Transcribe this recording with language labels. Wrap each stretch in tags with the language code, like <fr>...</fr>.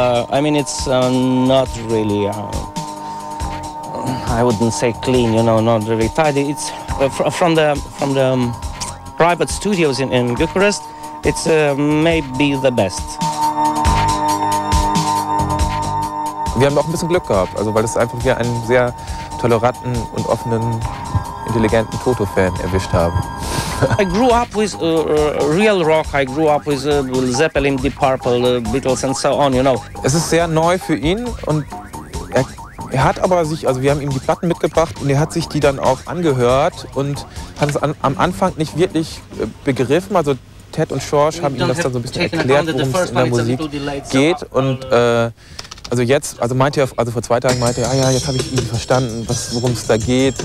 <en>I mean, it's not really, I wouldn't say clean, you know, not really tidy. It's from the private studios in Bucharest, it's maybe the best.</en> <de>Wir haben auch ein bisschen Glück gehabt, also weil es einfach hier einen sehr toleranten und offenen, intelligenten Toto-Fan erwischt haben.</de> <en>I grew up with real rock, I grew up with Zeppelin, Deep Purple, Beatles and so on, you know.</en> <de>Es ist sehr neu für ihn und er hat aber sich, also wir haben ihm die Platten mitgebracht und er hat sich die dann auch angehört und hat es am Anfang nicht wirklich begriffen, also Ted und George haben ihm das dann so ein bisschen erklärt, worum es in der Musik geht. Und also jetzt, also meinte er, also vor zwei Tagen meinte er, ah ja, jetzt habe ich ihn verstanden, worum es da geht.</de>